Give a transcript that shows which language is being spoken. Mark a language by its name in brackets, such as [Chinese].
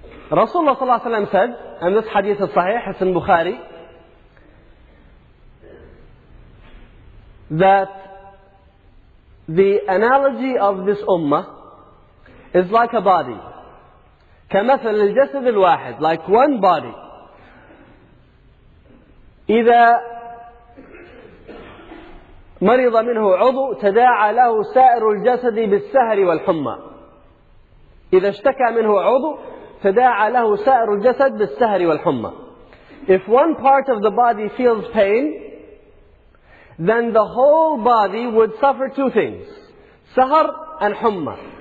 [English] Rasulullah sallallahu alaihi wasallam said, and this hadith is sahih, it's in Bukhari, that the analogy of this ummah is like a body. [Arabic] كمثل الجسد الواحد, [English] like one body. [Arabic] إذا مريض منه عضو تداعى له سائر الجسد بالسهر والحمى. إذا اشتكى منه عضو تداعى له سائر الجسد بالسهر والحمى. [English] If one part of the body feels pain, then the whole body would suffer two things, sahar and humma.